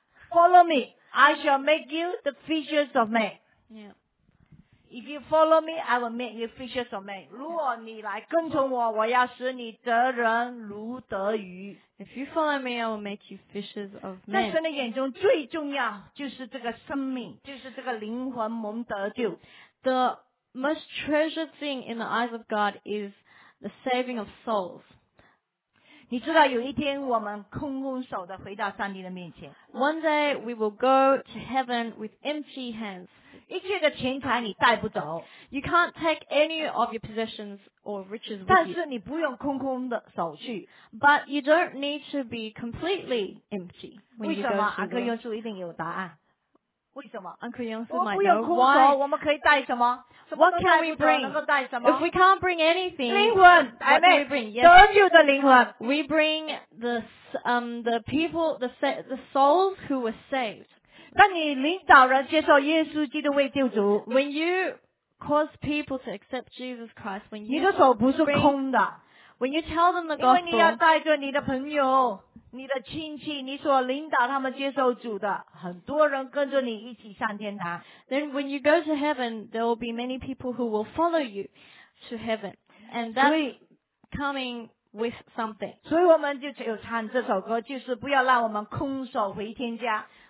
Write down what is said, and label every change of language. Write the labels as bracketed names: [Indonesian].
[English] Follow me, I shall make you the fishers of men. Yeah. If you follow me, I will make you fishers of men. [Chinese] 如果你来跟从我，我要使你得人如得鱼。 [English] If you follow me, I will make you fishers of men. [Chinese] 在神的眼中最重要就是这个生命，就是这个灵魂蒙得救。 [English] The most treasured thing in the eyes of God is the saving of souls. [Chinese] 你知道有一天我们空空手的回到上帝的面前。 [English] One day we will go to heaven with empty hands. [Chinese] 一切的钱财你带不走。 [English] You can't take any of your possessions or riches with you. [Chinese] 但是你不用空空的手去。 [English] But you don't need to be completely empty when you go to heaven. [Chinese] 为什么？阿克用书一定有答案。为什么? [English] Uncle Yong Su might know why. [Chinese] 我们可以带什么? [English] What can we bring? If we can't bring anything, [Chinese] 灵魂, [English] what can we bring? Yes. [Chinese] 得救的灵魂. [English] We bring the people, the souls who were saved. [Chinese] 当你领导人接受耶稣基督为救主, [English] when you cause people to accept Jesus Christ, when you [Chinese] 你的手不是空的, [English] when you tell them the gospel, [Chinese] 因为你要带着你的朋友, 你的亲戚, 你所领导他们接受主的，很多人跟着你一起上天堂。 [English] Then when you go to heaven, there will be many people who will follow you to heaven. And that's coming with something. [Chinese] 所以我们就有唱这首歌, 就是不要让我们空手回天家。